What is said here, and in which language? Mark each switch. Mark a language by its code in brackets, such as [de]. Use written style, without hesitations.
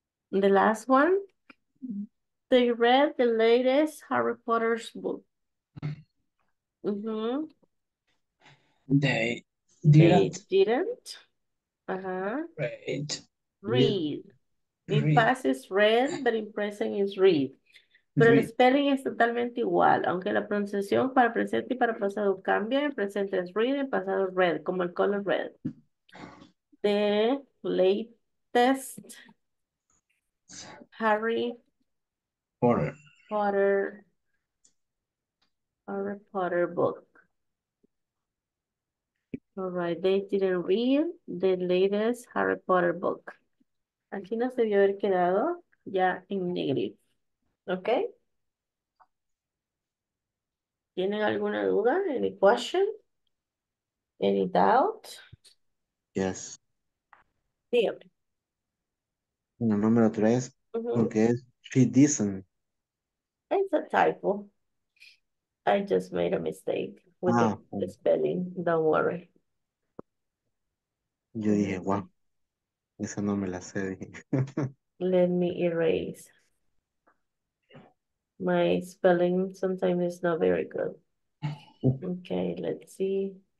[en] The last one, they read the latest Harry Potter's book. They didn't. Read. Past is read, but in present is read. [es] Pero read. El spelling es totalmente igual, aunque la pronunciación para presente y para pasado cambia. En presente es read, en pasado es red, como el color red. [en] The latest Harry Potter book. All right, they didn't read the latest Harry Potter book. [es] Aquí nos debió haber quedado ya en negative. ¿Ok? ¿Tienen alguna duda? [en] ¿Any question? ¿Any doubt? Yes. [es] Dígame. En el número 3, porque es [en] she doesn't. It's a typo. I just made a mistake with the spelling. Don't worry. [es] Yo dije, wow, esa no me la sé. [en] Let me erase. My spelling sometimes is not very good. Okay, let's see.